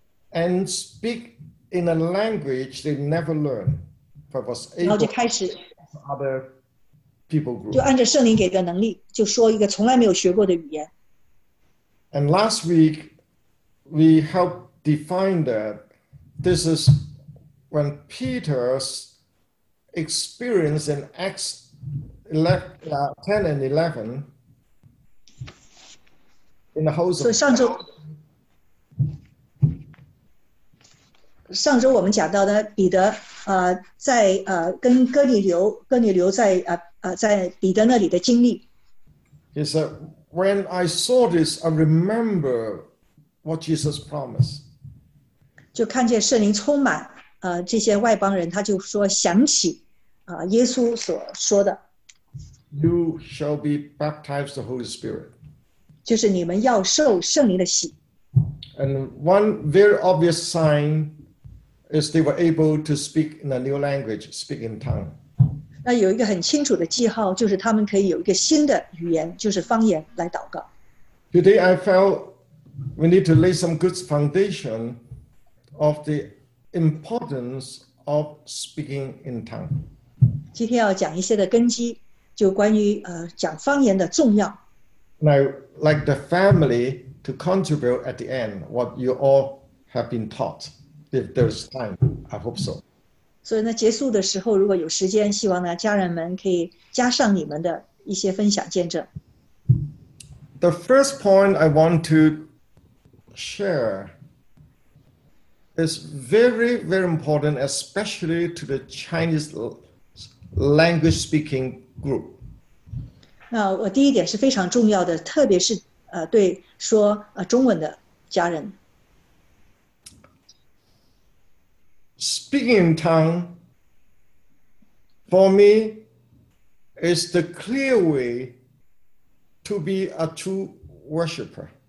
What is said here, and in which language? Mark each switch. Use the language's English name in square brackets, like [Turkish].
[English] And speak in a language they never learned, but was able to speak to other people groups. [Chinese] 就按着圣灵给的能力，就说一个从来没有学过的语言。 [English] And last week, we helped define that this is when Peter experienced in Acts 10 and 11, in the house of [Chinese] 上周我们讲到的彼得在跟哥尼流在彼得那里的经历。 [English] He said, when I saw this, I remember what Jesus promised. [Chinese] 就看见圣灵充满这些外邦人，他就说想起耶稣所说的。 [English] You shall be baptized the Holy Spirit. [Chinese] 就是你们要受圣灵的洗。 [English] And one very obvious sign is they were able to speak in a new language, speak in tongue. [Chinese] 那有一个很清楚的记号，就是他们可以有一个新的语言，就是方言来祷告。 [English] Today I felt we need to lay some good foundation of the importance of speaking in tongue. [Chinese] 今天要讲一些的根基，就关于讲方言的重要。 [English] Now, like the family. To contribute at the end what you all have been taught, if there's time, I hope so. [Chinese] 所以呢，结束的时候如果有时间，希望呢家人们可以加上你们的一些分享见证。 [English] The first point I want to share is very, very important, especially to the Chinese language speaking group. [Chinese] 那我第一点是非常重要的，特别是。对说中文的家人。 [English] Speaking in tongue, for me, is the clear way to be a true worshipper.